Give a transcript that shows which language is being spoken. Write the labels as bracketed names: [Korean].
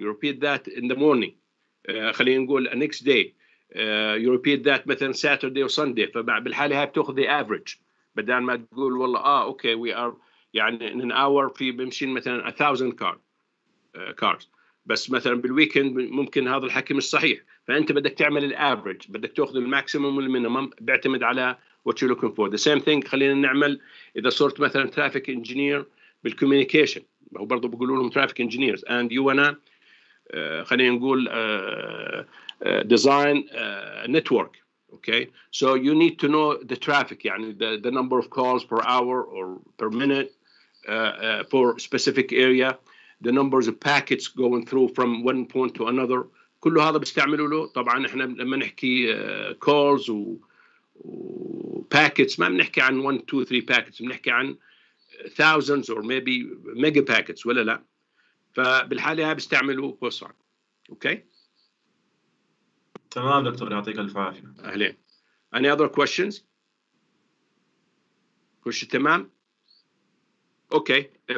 [English] You repeat that in the morning. [Arabic] خلينا نقول [English] the next day. You repeat that مثلا Saturday or Sunday. [Arabic] فبالحالة هاي بتأخذ [English] the average. [Arabic] بدل ما تقول والله [English] okay, we are [Arabic] يعني [English] in an hour [Arabic] في بمشين مثلا 1,000 cars. بس مثلا بالويكند ممكن هذا الحكي مش صحيح. فأنت بدك تعمل الأفريج، بدك تأخذ الماكسيموم والمينيموم، بيعتمد على [English] what you're looking for. The same thing [Arabic] خلينا نعمل إذا صرت مثلا traffic engineer بالcommunication، هو برضو بيقولوا لهم [English] traffic engineers and you wanna [Arabic] خلينا نقول [English] design network. Okay, so you need to know the traffic يعني the number of calls per hour or per minute for specific area, the numbers of packets going through from one point to another. [Arabic] كل هذا بستعمله له. طبعاً إحنا لما نحكي calls و packets ما بنحكي عن 1, 2, 3 packets، بنحكي عن [English] thousands or maybe mega packets [Arabic] ولا لا. فبالحالة ها بستعمله بسرعة. أوكي؟ تمام دكتور، يعطيك الف عافية. أهلين. [English] Any other questions؟ [Arabic] كوش تمام؟ [English] Okay.